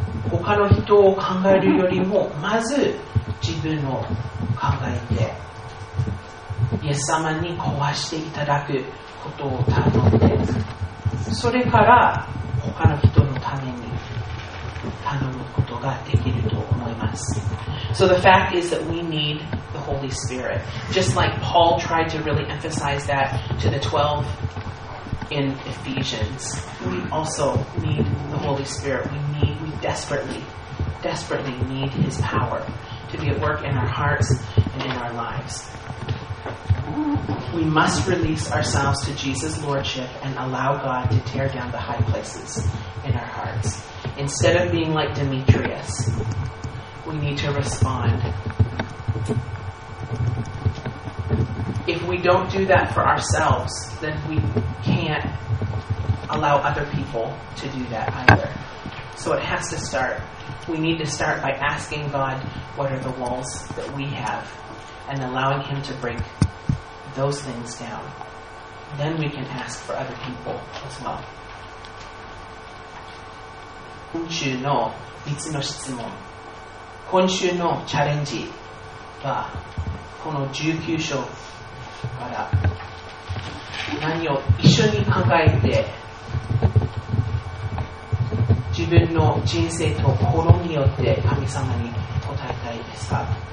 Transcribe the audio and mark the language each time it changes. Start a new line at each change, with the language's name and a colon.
Japanese: 他の人を考えるよりも、まず自分を考えて、イエス様に壊していただくことを頼んで、それから他の人のために頼むことができると思います。
English: So the fact is that we need the Holy Spirit, just like Paul tried to really emphasize that to the 12 in Ephesians. We also need the Holy Spirit. We desperately need his power to be at work in our hearts and in our lives. We must release ourselves to Jesus' Lordship and allow God to tear down the high places in our hearts. Instead of being like Demetrius, we need to respond. If we don't do that for ourselves, then we can't allow other people to do that either. So it has to start. We need to start by asking God what are the walls that we have and allowing him to break those things down. Then we can ask for other people as well.
Japanese: 今週の3つの質問、今週のチャレンジはこの19章から何を一緒に考えて、自分の人生と心によって神様に答えてですか。